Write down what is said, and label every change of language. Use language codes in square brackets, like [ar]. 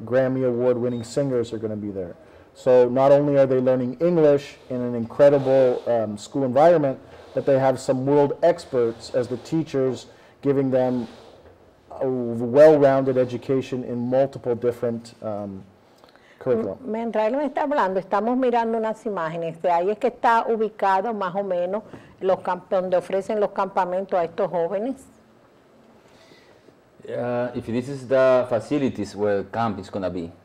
[en] Grammy Award-winning singers are going to be there. So not only are they learning English in an incredible school environment, that they have some world experts as the teachers giving them a well-rounded education in multiple different curriculum. [es] Mientras él me está hablando, estamos mirando unas imágenes. De ahí es que está ubicado más o menos los donde ofrecen los campamentos a estos jóvenes. [en] If this is the facilities where camp is going to be.